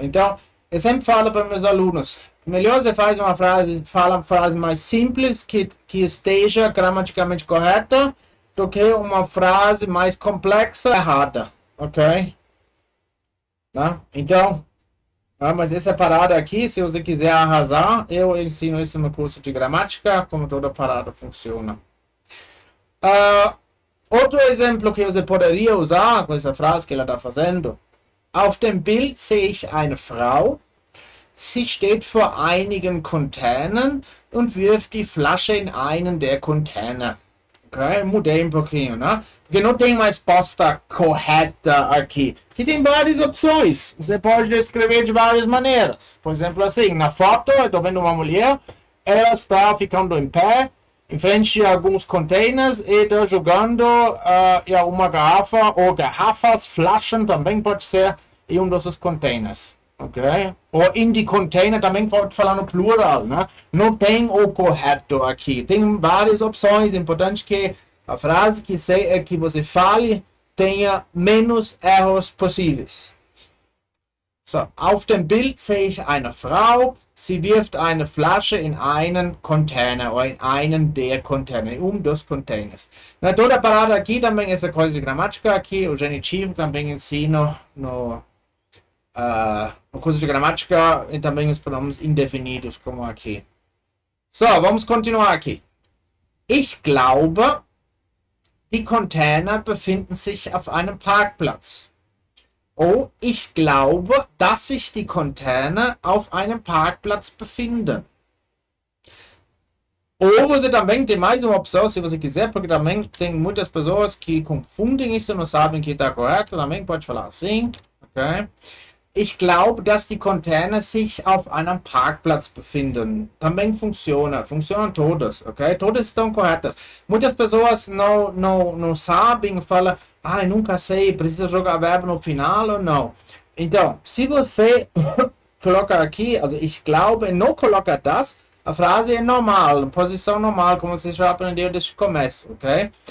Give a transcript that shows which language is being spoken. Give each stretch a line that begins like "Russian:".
Portuguese: Então eu sempre falo para meus alunos, melhor você faz uma frase, fala uma frase mais simples que esteja gramaticamente correta, do que uma frase mais complexa errada, ok? Tá? Então, mas essa parada aqui, se você quiser arrasar, eu ensino isso no curso de gramática, como toda parada funciona. Outro exemplo que você poderia usar com essa frase que ela está fazendo.
German: Auf dem Bild sehe ich eine Frau. Sie steht vor einigen Containern und wirft die Flasche in einen der Container.
Portuguese: Okay, mudei pouquinho, né? Porque não tem uma resposta correta aqui. Aqui tem várias opções. Você pode escrever de várias maneiras. Por exemplo, assim, na foto, eu estou vendo uma mulher, ela está ficando em pé. Em frente a alguns containers e tá jogando uma garrafa ou garrafas, flaschen também pode ser em um desses containers, ok? Ou
German: in die container
Portuguese: também pode falar no plural, né? Não tem o correto aqui. Tem várias opções. É importante que a frase que você fale tenha menos erros possíveis.
German: So, auf dem Bild sehe ich eine Frau. Sie wirft eine Flasche in einen Container oder in einen der Container,
Portuguese: um dos Containers. Na toda parada aqui também, essa coisa de gramática aqui, o genitivo também ensino no curso de gramática e também os pronomes indefinidos, como aqui. Só, vamos continuar aqui.
German: Ich glaube, die Container befinden sich auf einem Parkplatz. Oh, ich glaube, dass sich die Container auf einem Parkplatz befinden.
Portuguese: Ou você também tem mais uma opção, se você quiser, porque também tem muitas pessoas que confundem isso e não sabem que está correto. Também pode falar assim, ok?
German: Ich glaube, dass die Container sich auf einem Parkplatz befinden.
Portuguese: Também funciona. Funcionam todas, ok? Todas estão corretas. Muitas pessoas não sabem, falam, ai, nunca sei, precisa jogar verbo no final ou não? Então, se você coloca aqui,
German: also ich glaube,
Portuguese: não coloca das, A frase é normal, posição normal, como você já aprendeu desde o começo, ok?